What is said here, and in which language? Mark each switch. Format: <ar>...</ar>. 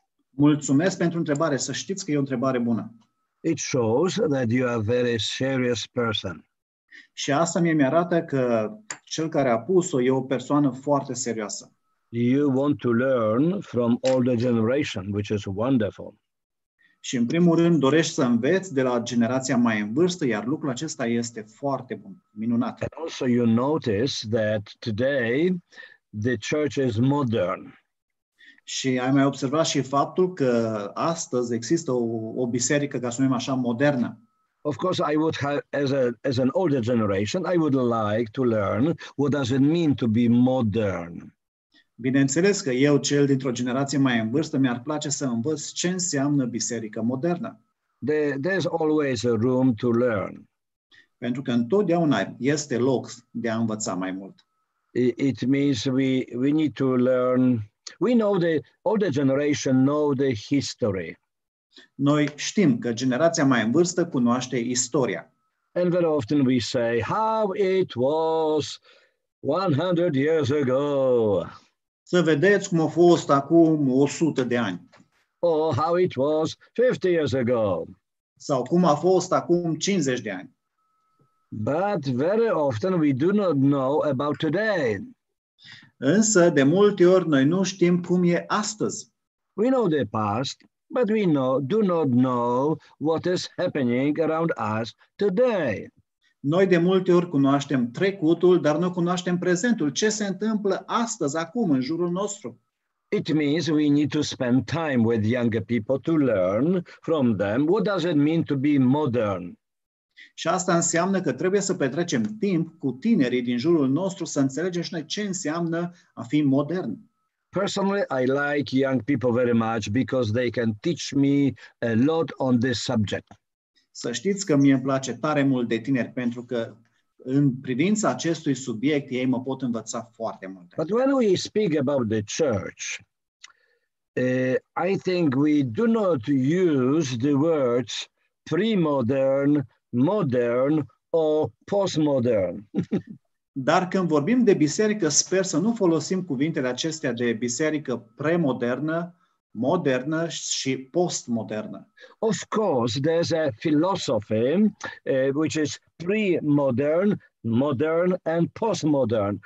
<ro>Mulțumesc pentru întrebare. Să știți că e o întrebare bună.</ro> <en>It shows that you are a very serious person.</en> <ro>Și asta mi-e arată că cel care a pus-o e o persoană foarte serioasă.</ro> <en>You want to learn from older generation, which is wonderful.</en> <ro>Și în primul rând dorești să înveți de la generația mai în vârstă, iar lucrul acesta este foarte bun, minunat.</ro> <en>And also you notice that today the church is modern.</en> <ro>Și ai mai observat și faptul că astăzi există o biserică, ca să numim așa, modernă.</ro> <en>Of course I would have as an older generation, I would like to learn what does it mean to be modern.</en> <ro>Bineînțeles că eu, cel dintr-o generație mai în vârstă, mi-ar place să învăț ce înseamnă biserică modernă.</ro> <en>There's always a room to learn.</en> <ro>Pentru că întotdeauna este loc de a învăța mai mult.</ro> <en>It means we need to learn. We know the older generation know the history.</en> <ro>Noi știm că generația mai în vârstă cunoaște istoria.</ro> <en>And very often we say how it was 100 years ago.</en> <ro>Să vedeți cum a fost acum 100 de ani.</ro> <en>Oh, how it was 50 years ago.</en> <ro>Sau cum a fost acum 50 de ani.</ro> <en>But very often we do not know about today.</en> <ro>Însă de multe ori noi nu știm cum e astăzi.</ro> <en>We know the past, but we do not know what is happening around us today.</en> <ro>Noi de multe ori cunoaștem trecutul, dar nu cunoaștem prezentul. Ce se întâmplă astăzi, acum, în jurul nostru?</ro> <en>It means we need to spend time with younger people to learn from them. What does it mean to be modern?</en> <ro>Și asta înseamnă că trebuie să petrecem timp cu tinerii din jurul nostru să înțelegem și noi ce înseamnă a fi modern.</ro> <en>Personally, I like young people very much because they can teach me a lot on this subject.</en> <ro>Să știți că mie îmi place tare mult de tineri pentru că în privința acestui subiect ei mă pot învăța foarte multe.</ro> <en>But when we speak about the church, I think we do not use the words pre-modern, modern or post-modern.</en> <ro>Dar când vorbim de biserică, sper să nu folosim cuvintele acestea de biserică premodernă, modernă și postmodernă.</ro> <en>Of course, there's a philosophy which is pre-modern, modern and postmodern.</en>